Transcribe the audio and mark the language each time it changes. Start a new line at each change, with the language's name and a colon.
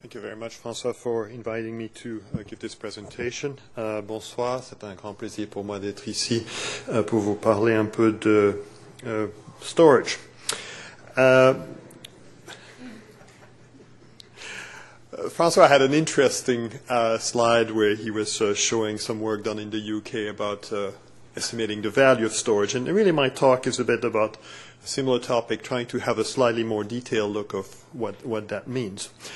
English: Thank you very much, François, for inviting me to give this presentation.
French: Bonsoir, c'est un grand plaisir pour moi d'être ici pour vous parler un peu de storage.
English: François had an interesting slide where he was showing some work done in the UK about estimating the value of storage, and really my talk is a bit about a similar topic, trying to have a slightly more detailed look of what that means.